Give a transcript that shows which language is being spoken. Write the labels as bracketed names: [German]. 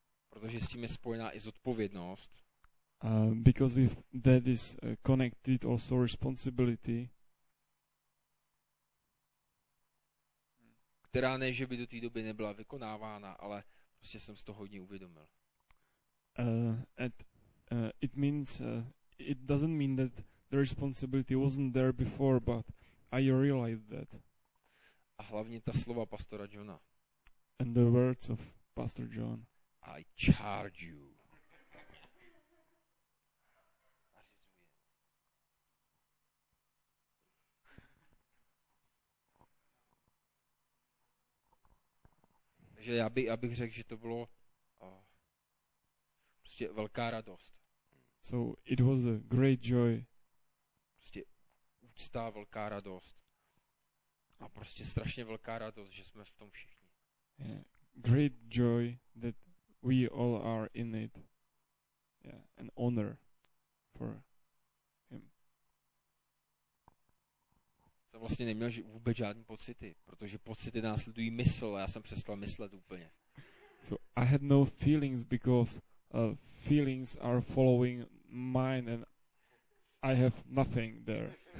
[Czech] Protože s tím je spojená i zodpovědnost. [English] Because that is connected also responsibility. [Czech] Která ne, že by do té doby nebyla vykonávána, ale prostě jsem z toho hodně uvědomil. [English] It means it doesn't mean that the responsibility wasn't there before, but I realized that. [Czech] A hlavně ta slova pastora Johna. [English] And the words of Pastor John. I charge you. [Czech] Takže já bych řekl, že to bylo prostě velká radost. [English] So it was a great joy. [Czech] Prostě úcta, velká radost. A prostě strašně velká radost, že jsme v tom všichni. [English] Yeah. Great joy that we all are in it. Yeah, an honor for him. [Czech] Jsem vlastně neměl vůbec žádný pocity, protože pocity následují mysl a já jsem přestal myslet úplně. [English] So I had no feelings because feelings are following mine and I have nothing there.